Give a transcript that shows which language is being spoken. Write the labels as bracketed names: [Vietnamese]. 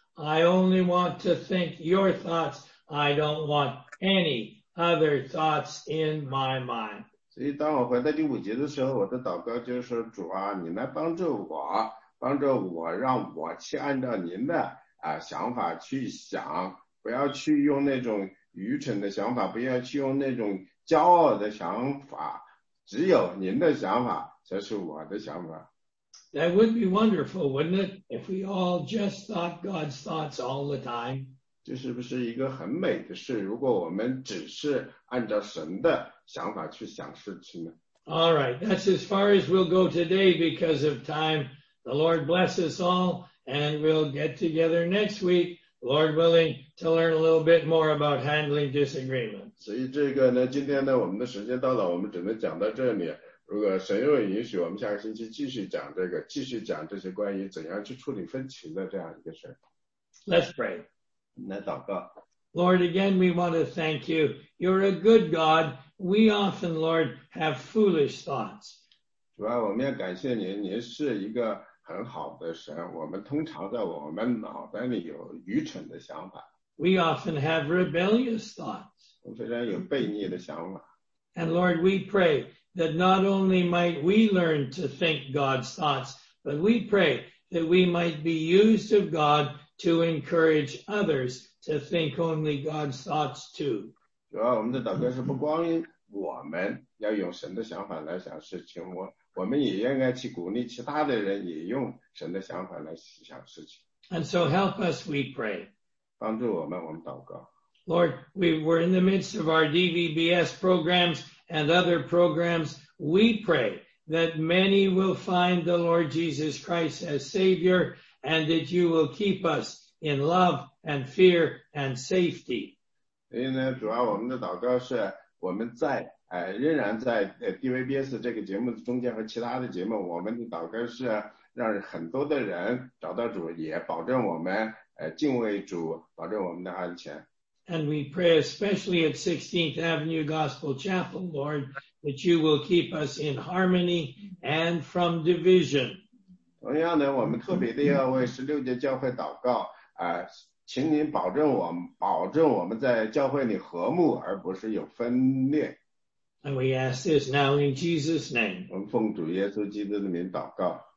[English] I only want to think your thoughts. I don't want anyother thoughts in my mind. [Chinese] 所以当我回到第五节的时候，我的祷告就是，主啊，你来帮助我，帮助我，让我去按照您的想法去想，不要去用那种愚蠢的想法，不要去用那种骄傲的想法，只有您的想法才是我的想法。 [English] That would be wonderful, wouldn't it, if we all just thought God's thoughts all the time? [Chinese] 这是不是一个很美的事，如果我们只是按照神的想法去想事情呢？ [English] All right, that's as far as we'll go today because of time. The Lord bless us all, and we'll get together next week, Lord willing, to learn a little bit more about handling disagreements. [Chinese] 所以这个呢，今天呢，我们的时间到了，我们只能讲到这里。如果神又允许，我们下个星期继续讲这个，继续讲这些关于怎样去处理分歧的这样一个事。 [English] Let's pray. [Chinese] 来祷告。 [English] Lord, again, we want to thank you. You're a good God. We often, Lord, have foolish thoughts. [Chinese] 主啊，我们要感谢您，您是一个很好的神。我们通常在我们脑袋里有愚蠢的想法。 [English] We often have rebellious thoughts. [Chinese] 我们非常有悖逆的想法。 [English] And Lord, we pray. That not only might we learn to think God's thoughts, but we pray that we might be used of God to encourage others to think only God's thoughts too. [Chinese] 主啊，我们的祷告是不光我们要用神的想法来想事情，我们也应该去鼓励其他的人也用神的想法来想事情。 [English] And so help us, we pray. [Chinese] 帮助我们，我们祷告。 [English] Lord, we were in the midst of our DVBS programs. And other programs, we pray that many will find the Lord Jesus Christ as Savior and that you will keep us in love and fear and safety. [Chinese] 所以呢，主要我们的祷告是我们在仍然在DVBS 这个节目中间和其他的节目，我们的祷告是让很多的人找到主，也保证我们敬畏主，保证我们的安全。 [English] And we pray especially at 16th Avenue Gospel Chapel, Lord, that you will keep us in harmony and from division. [Chinese] 同样呢，我们特别的要为16届教会祷告，请您保证我们在教会里和睦，而不是有分裂。 [English] And we ask this now in Jesus' name. [Chinese] 我们奉主耶稣基督的名祷告。